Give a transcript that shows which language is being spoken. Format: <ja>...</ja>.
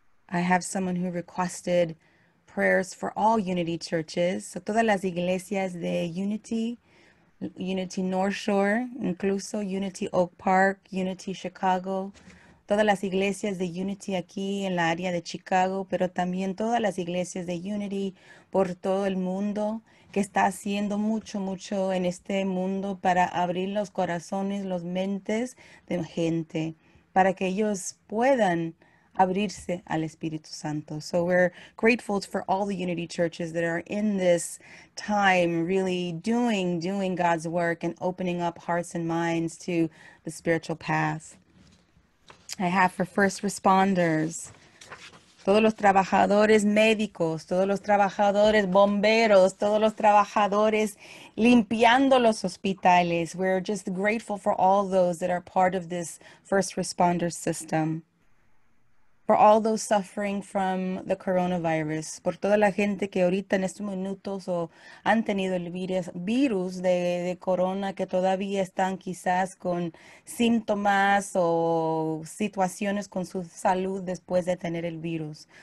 <en>I have someone who requested prayers for all Unity churches.</en> <es>So todas las iglesias de Unity, Unity North Shore, incluso Unity Oak Park, Unity Chicago, todas las iglesias de Unity aquí en la área de Chicago, pero también todas las iglesias de Unity por todo el mundo, que está haciendo mucho, mucho en este mundo para abrir los corazones, los mentes de gente, para que ellos puedan abrirse al Espíritu Santo.</es> <en>So we're grateful for all the Unity churches that are in this time really doing God's work and opening up hearts and minds to the spiritual path.</en> <es>I have for first responders, todos los trabajadores médicos, todos los trabajadores bomberos, todos los trabajadores limpiando los hospitales.</es> <en>We're just grateful for all those that are part of this first responder system.</en> <es>For all those suffering from the coronavirus, por toda la gente que ahorita en estos minutos o han tenido el virus de corona, que todavía están quizás con síntomas o situaciones con su salud después de tener el virus.</es>